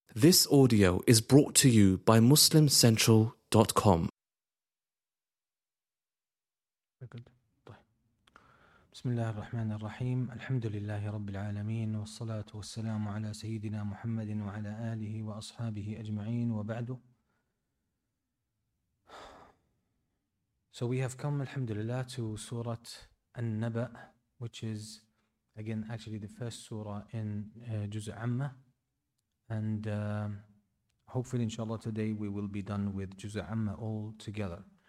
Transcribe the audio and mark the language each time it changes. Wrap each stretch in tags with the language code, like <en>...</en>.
<en>This audio is brought to you by MuslimCentral.com.</en> <ar>بسم الله الرحمن الرحيم الحمد لله رب العالمين والصلاة والسلام على سيدنا محمد وعلى آله وأصحابه أجمعين وبعد.</ar> <en>So we have come, alhamdulillah, to Surah An-Naba, which is again actually the first surah in Juz Amma. And hopefully, inshallah, today we will be done with Juz Amma all together.</en>